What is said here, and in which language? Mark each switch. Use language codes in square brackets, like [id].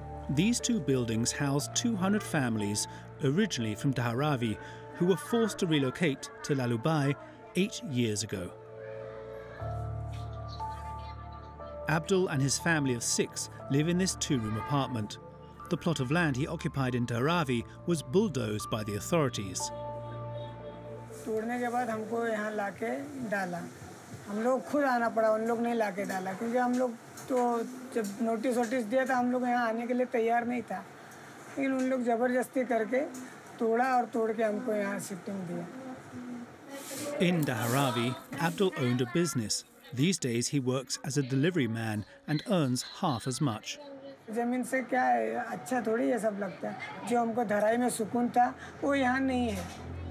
[en] These two buildings house 200 families, originally from Dharavi, who were forced to relocate to Lalubai 8 years ago. Abdul and his family of six live in this two-room apartment. The plot of land he occupied in Dharavi was bulldozed by the authorities. [hi] तोड़ने के बाद हमको यहाँ लाके डाला। हम लोग खुद आना पड़ा, उन लोग नहीं लाके डाला, क्योंकि हम लोग तो जब नोटिस वोटिस दिया था, हम लोग यहाँ आने के लिए तैयार नहीं था। लेकिन उन लोग जबरदस्ती करके तोड़ा और तोड़ के हमको यहाँ शिफ्टिंग दिया। [en] In Dharavi, Abdul owned a business. These days he works as a delivery man and earns half as much. [hi] जमीन से क्या है, अच्छा थोड़ी ये सब लगता है। जो हमको धराई में सुकून था, वो यहाँ नहीं है।